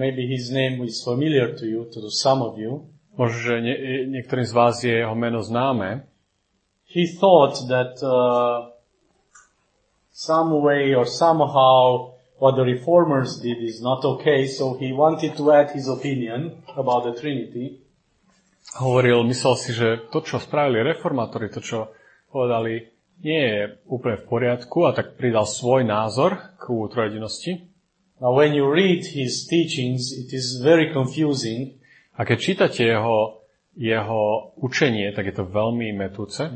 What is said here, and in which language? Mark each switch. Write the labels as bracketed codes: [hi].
[en] Maybe his name is familiar to you, to some of you. [sk] Možno, že niektorým z vás je jeho meno známe. [en] He thought that some way or somehow what the reformers did is not okay, so he wanted to add his opinion about the Trinity. [sk] Hovoril, myslel si, že to, čo spravili reformátori, to, čo povedali, nie je úplne v poriadku, a tak pridal svoj názor k trojedinosti. [en] Now when you read his teachings, it is very confusing. [sk] A keď čítate jeho učenie, tak je to veľmi metúce.